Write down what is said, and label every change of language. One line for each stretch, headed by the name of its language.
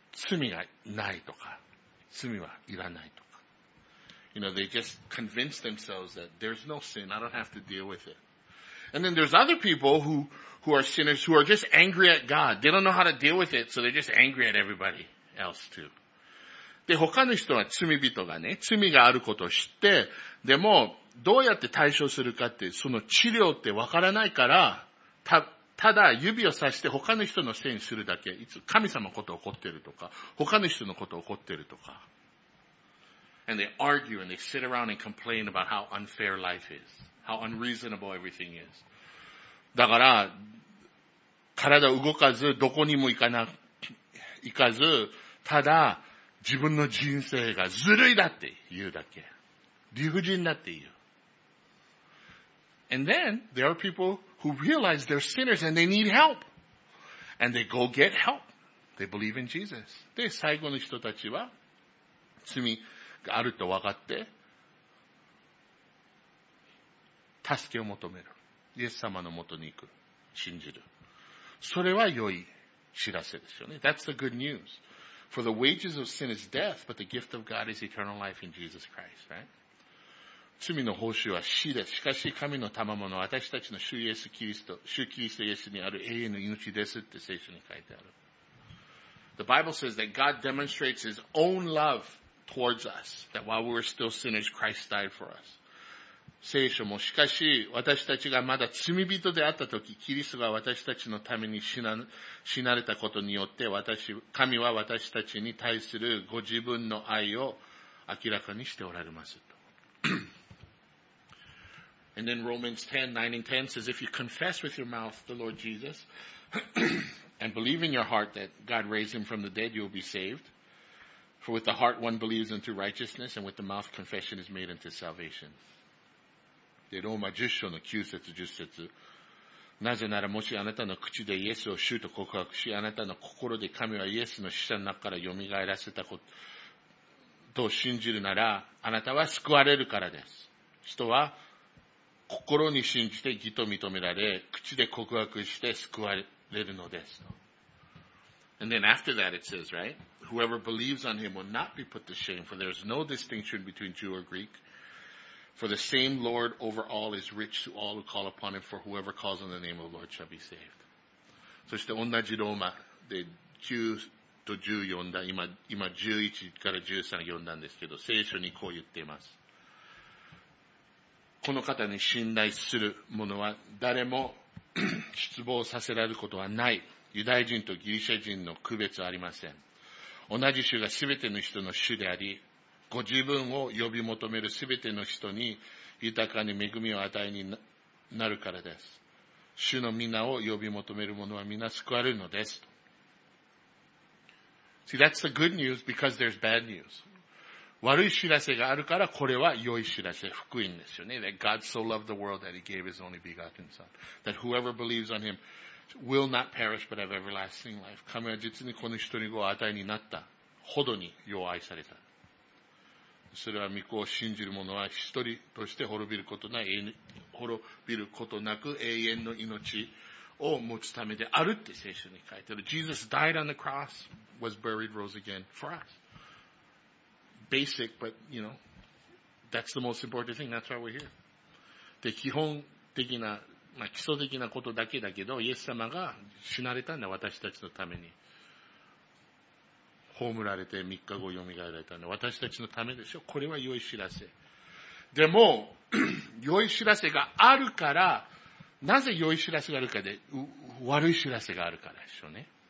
Japanese: 罪がないとか、罪はいらないとか。
English: You know, they just convince themselves that there's no sin. I don't have to deal with it. And then there's other people who are sinners who are just angry at God. They don't know how to deal with it, so they're just angry at everybody else too.
Japanese: で、他の人は罪人がね、罪があることを知って、でも、どうやって対処するかって、その治療ってわからないから、ただ指を刺して他の人のせいにするだけ。いつ神様のことを怒ってるとか、他の人のことを怒ってるとか。
English: And they argue and they sit around and complain about how unfair life is. How unreasonable everything is.
Japanese: だから、体動かず、どこにも行かず、ただ、自分の人生がずるいだって言うだけ。理不尽だって言う。
English: And then, there are people who realize they're sinners and they need help. And they go get help. They believe in Jesus.
Japanese: で、最後の人たちは、罪があると分かって、助けを求める。イエス様のもとに行く。信じる。それは良い知らせですよね。
English: That's the good news. For the wages of sin is death, but the gift of God is eternal life in Jesus Christ, right?
Japanese: 罪の報酬は死です。しかし神の賜物は私たちの主イエスキリスト、主キリストイエスにある永遠の命ですって聖書に書いてある。
English: The Bible says that God demonstrates His own love towards us, that while we were still sinners, Christ died for us.
Japanese: 聖書もしかし私たちがまだ罪人であったとき、キリストが私たちのために死なれたことによって、神は私たちに対するご自分の愛を明らかにしておられますと。
English: And then Romans 10, 9 and 10 says, if you confess with your mouth the Lord Jesus and believe in your heart that God raised him from the dead, you'll be saved. For with the heart one believes into righteousness and with the mouth confession is made into salvation.
Japanese: で、ローマ10章の9節10節。なぜならもしあなたの口でイエスを主と告白し、あなたの心で神はイエスの死者の中から蘇らせたことを信じるなら、あなたは救われるからです。人は心に信じて義と認められ、口で告白して救われるのです。
English: And then after that it says, right? Whoever believes on him will not be put to shame, for there is no distinction between Jew or Greek. For the same Lord over all is rich to all who call upon him, for whoever calls on the name of the Lord shall be saved.
Japanese: そして同じローマで9と10読んだ、今11から13読んだんですけど、聖書にこう言っています。この方に信頼する者は誰も失望させられることはない。ユダヤ人とギリシャ人の区別はありません。同じ主が全ての人の主であり、ご自分を呼び求めるすべての人に豊かに恵みを与えになるからです。主の皆を呼び求める者は皆救われるのです。
English: See, that's the good news because there's bad news.
Japanese: 悪い知らせがあるからこれは良い知らせ、福音ですよね。
English: That God so loved the world that he gave his only begotten son. That whoever believes on him will not perish but have everlasting life.
Japanese: 神は実にこの人にご与えになったほどによう愛された。それは御子を信じる者は一人として滅びることなく永遠の命を持つためであるって聖書に書いてある。
English: Jesus died on the cross, was buried, rose again for us. Basic, but you know, that's the most important thing. That's why we're here.
Japanese: で、基本的な、まあ、基礎的なことだけど、イエス様が死なれたんだ、私たちのために。葬られて3日後蘇られたの。私たちのためでしょ。これは良い知らせ。でも、良い知らせがあるから、なぜ良い知らせがあるかで、悪い知らせがあるからでしょうね。